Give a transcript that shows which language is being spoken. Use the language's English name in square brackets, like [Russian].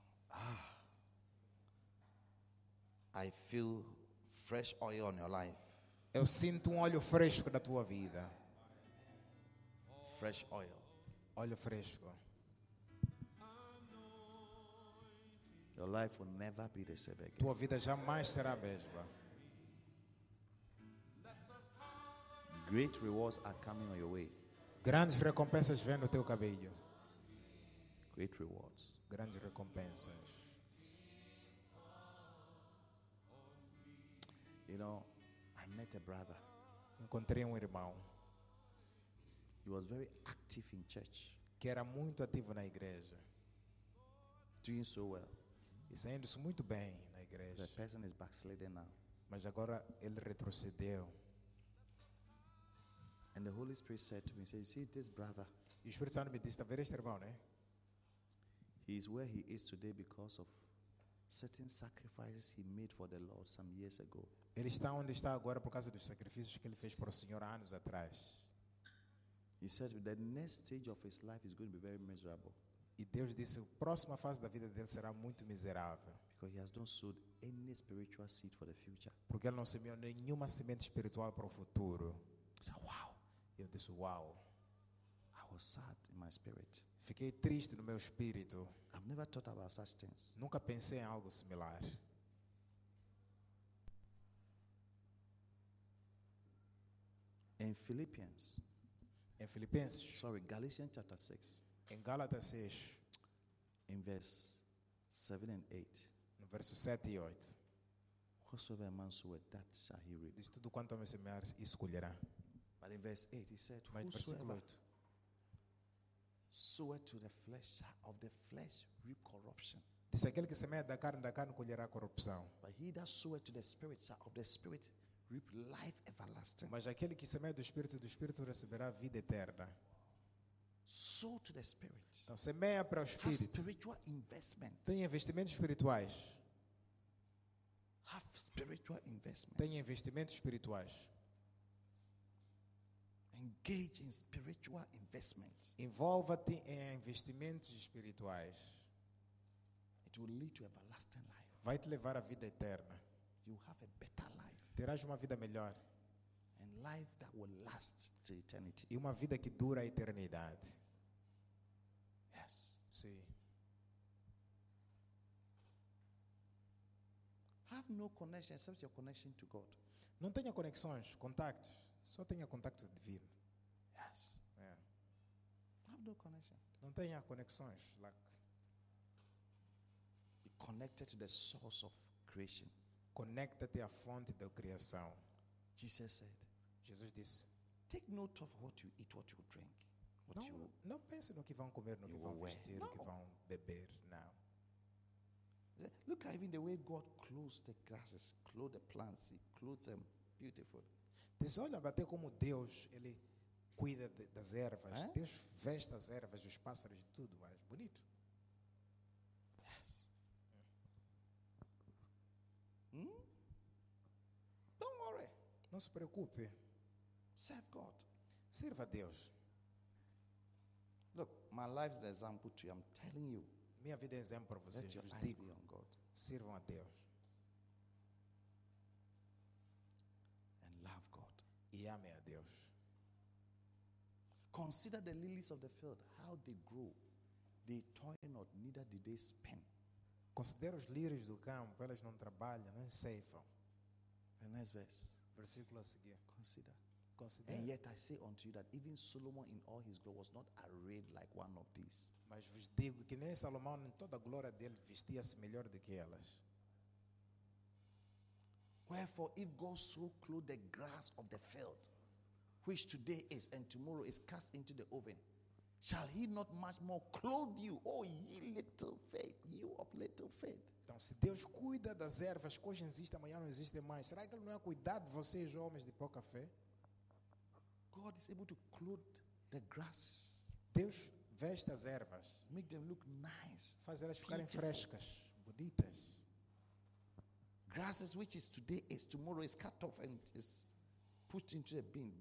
[English] Ah, I feel fresh oil on your life. [Portuguese] Eu sinto óleo fresco na tua vida. [English] Fresh oil. [Portuguese] Óleo fresco. [English] Your life will never be the same again. [Portuguese] Tua vida jamais será a mesma. [English] Great rewards are coming on your way. [Portuguese] Grandes recompensas vêm no teu cabelo. [English] Great rewards. [Portuguese] Grandes recompensas. [English] You know, I met a brother. [Portuguese] Encontrei irmão. [English] He was very active in church. [Portuguese] Que era muito ativo na igreja. [English] Doing so well. [Portuguese] E saindo-se muito bem na igreja. [English] The person is backsliding now. [Portuguese] Mas agora ele retrocedeu. [English] And the Holy Spirit said to me, "Say, see this brother. [Portuguese] O Espírito Santo me disse, veja este irmão, né? [English] He is where he is today because of certain sacrifices he made for the Lord some years ago. [Portuguese] Ele está onde está agora por causa dos sacrifícios que ele fez para o Senhor há anos atrás. [English] He said the next stage of his life is going to be very miserable. [Portuguese] E Deus disse, a próxima fase da vida dele será muito miserável. [English] Because he has not sowed any spiritual seed for the future. [Portuguese] Porque ele não semeou nenhuma semente espiritual para o futuro. [English] So, wow. [Portuguese] Eu disse, wow. [English] I was sad in my spirit. [Portuguese] Fiquei triste no meu espírito. [English] I've never thought about such things. [Portuguese] Nunca pensei em algo similar. [English] In Philippians. [Portuguese] Em Filipenses. [English] Sorry, Galatians chapter 6. [Portuguese] Em Gálatas 6. [English] In verse 7 and 8. [Portuguese] No verso 7 e 8. [English] Whosoever a man soweth, that shall he reap. [Portuguese] Diz tudo quanto homem semear, isso colherá. [English] But in verse 8, he said, whosoever soweth to the flesh of the flesh reap corruption. [Portuguese] Diz aquele que semeia da carne colherá corrupção. [English] But he that soweth to the spirit shall of the spirit reap life everlasting. [Portuguese] Mas aquele que semeia do espírito receberá vida eterna. [English] Sow to the spirit. [Portuguese] Então semeia para o espírito. [English] Have spiritual investments. [Portuguese] Tem investimentos espirituais. [English] spiritual investment. [Portuguese] Tenha investimentos espirituais. [English] Engage in spiritual investment. [Portuguese] Envolva-te em investimentos espirituais. [English] It will lead to everlasting life. [Portuguese] Vai te levar à vida eterna. [English] You have a better life. [Portuguese] Terás uma vida melhor. [English] And life that will last to eternity. [Portuguese] E uma vida que dura a eternidade. [English] Yes. [Portuguese] Sim. [English] Have no connection except your connection to God. [Portuguese] Não tenha conexões, contactos. Só tenha contacto divino. [English] Yes. Yeah. Have no connection. [Portuguese] Não tenha conexões, [English] like. Be connected to the source of creation. [Portuguese] Conecta-te à fonte da criação. [English] Jesus said. [Portuguese] Jesus disse. [English] Take note of what you eat, what you drink. What [Portuguese] não, [English] you, [Portuguese] não pense no que vão comer, no que vão vestir, no que vão beber, não. [English] Look at even the way God clothes the grasses, clothes the plants, He clothes them beautiful. [Portuguese] Olha até como Deus ele cuida das ervas. Eh? Deus veste as ervas, os pássaros, tudo mais bonito. [English] Yes. Hmm? Don't worry. [Portuguese] Não se preocupe. [English] Serve God. [Portuguese] Sirva a Deus. [English] Look, my life is an example to you. I'm telling you. [Portuguese] Minha vida é exemplo para vocês. Eu digo, sirvam a Deus. [English] And love God. [Portuguese] E amem a Deus. [English] Consider the lilies of the field, how they grow. They toil not, neither do they spin. [Portuguese] Considera os lírios do campo, elas não trabalham, nem ceifam. [English] The next verse. [Portuguese] Versículo a seguir. [English] Consider. Consider. And yet I say unto you that even Solomon in all his glory was not arrayed like one of these. [Portuguese] Mas vos digo que nem Salomão em toda a glória dele vestia-se melhor do que elas. [English] Wherefore, if God so clothed the grass of the field, which today is and tomorrow is cast into the oven, shall He not much more clothe you, oh ye little faith, you of little faith? [Portuguese] Então, se Deus cuida das ervas que hoje existem, amanhã não existem mais, será que Ele não é cuidar de vocês, homens de pouca fé? [English] God is able to clothe the grasses. [Portuguese] Deus veste as ervas. [English] Make them look nice. [Portuguese] Faz elas ficarem frescas, bonitas. [English] Grasses which is today is tomorrow is cut off and is put into a bin.